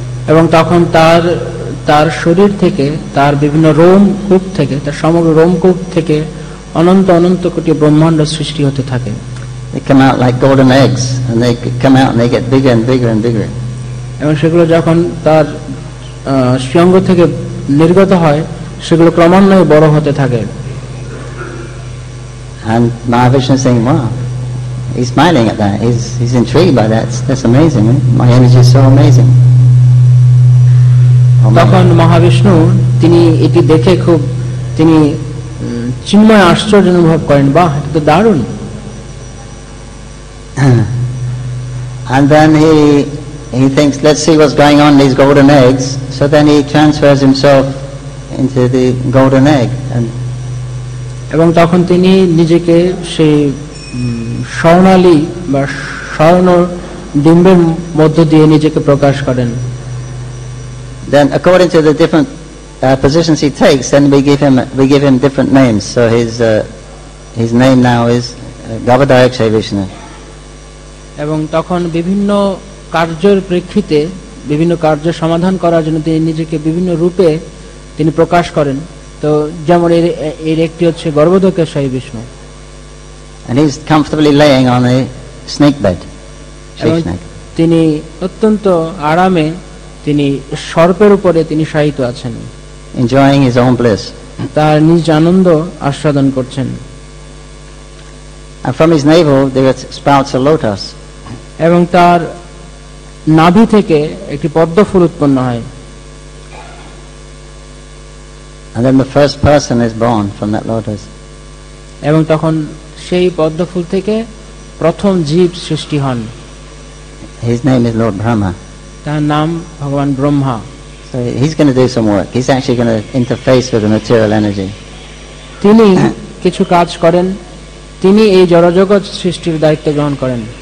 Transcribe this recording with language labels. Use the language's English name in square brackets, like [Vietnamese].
[Bangla] এবং তখন তার তার শরীর থেকে তার বিভিন্ন রোম কূপ থেকে তার সমগ্র রোম কূপ থেকে অনন্ত অনন্ত কোটি ব্রহ্মাণ্ড সৃষ্টি হতে থাকে. [English] They come out like golden eggs, and they come out and they get bigger and bigger and bigger. [Bangla] এবং সেগুলো যখন তার স্বঙ্গ থেকে নির্গত হয় সেগুলো ক্রমান্বয়ে বড় হতে থাকে. [English] And Mahavishnu saying, wow, he's smiling at that, he's intrigued by that, that's amazing, my energy is so amazing. [Bangla] তখন মহাবিষ্ণু তিনি এটি দেখে খুব তিনি চিন্ময় আশ্চর্য অনুভব করেন, বাহ এটা তো দারুণ. [English] And then he thinks, let's see what's going on in these golden eggs. So then he transfers himself into the golden egg. [Bangla] এবং তখন তিনি নিজেকে সেই স্বর্ণালী বা স্বর্ণ ডিম্বের মধ্য দিয়ে নিজেকে প্রকাশ করেন. [English] Then according to the different positions he takes, then we give him different names. So his name now is Gavadaya Kshayavishnu. [Bangla] এবং তখন বিভিন্ন কার্যের প্রেক্ষিতে বিভিন্ন কার্য সমাধান করার জন্য তিনি নিজেকে বিভিন্ন রূপে তিনি প্রকাশ করেন. তো যেমন এর একটি হচ্ছে গর্ভদকেশ্বর Vishnu. [English] And he's comfortably laying on a snake bed. [Bangla] তিনি অত্যন্ত আরামে তিনি সর্পের উপরে তিনি শায়িত আছেন. [English] Enjoying his own bliss. [Bangla] তার নিজ আনন্দ আস্বাদন করছেন. [English] And from his navel there sprouts a lotus. [Bangla] এবং তার নাভি থেকে একটি পদ্ম ফুল উৎপন্ন হয়. [English] And then the first person is born from that lotus. [Bangla] এবং তখন সেই পদ্ম ফুল থেকে প্রথম জীব সৃষ্টি হন. [English] His name is Lord Brahma. [Bangla] তার নাম ভগবান Brahma. [English] So he's going to do some work. He's actually going to interface with the material energy. [Bangla] তিনি কিছু কাজ করেন. তিনি এই জড়জগৎ সৃষ্টির দায়িত্ব গ্রহণ করেন.